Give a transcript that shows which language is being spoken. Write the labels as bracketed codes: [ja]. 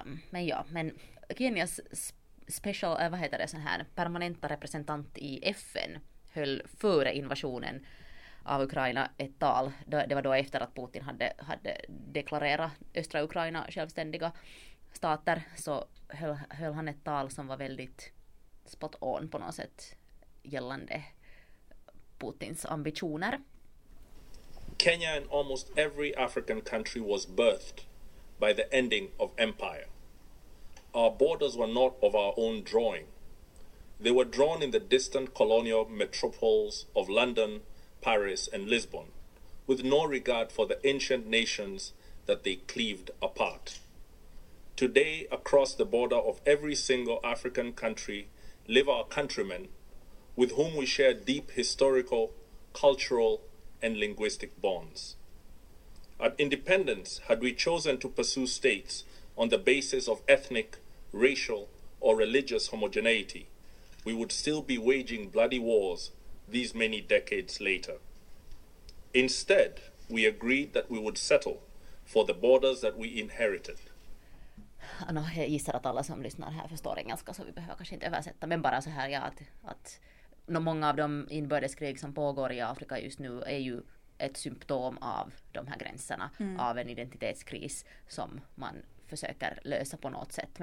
[sv] Men Kenias special, vad heter det, sån här permanenta representant i FN höll före invasionen av Ukraina ett tal. Det var då efter att Putin hade deklarerat östra Ukraina självständiga stater, så höll han ett tal som var väldigt spot on på något sätt gällande Putins ambitioner. [en] Kenya and almost every African country was birthed by the ending of empire. Our borders were not of our own drawing. They were drawn in the distant colonial metropoles of London, Paris and Lisbon, with no regard for the ancient nations that they cleaved apart. Today, across the border of every single African country, live our countrymen, with whom we share deep historical, cultural and linguistic bonds. At independence, had we chosen to pursue states on the basis of ethnic, racial, or religious homogeneity, we would still be waging bloody wars these many decades later. Instead, we agreed that we would settle for the borders that we inherited. [sv] No, jag gissar att alla som lyssnar här förstår engelska, så vi behöver kanske inte översätta, men bara så här, ja, att många av de inbördeskrig som pågår i Afrika just nu är ju ett symptom av de här gränserna, av en identitetskris som man försöker lösa på något sätt.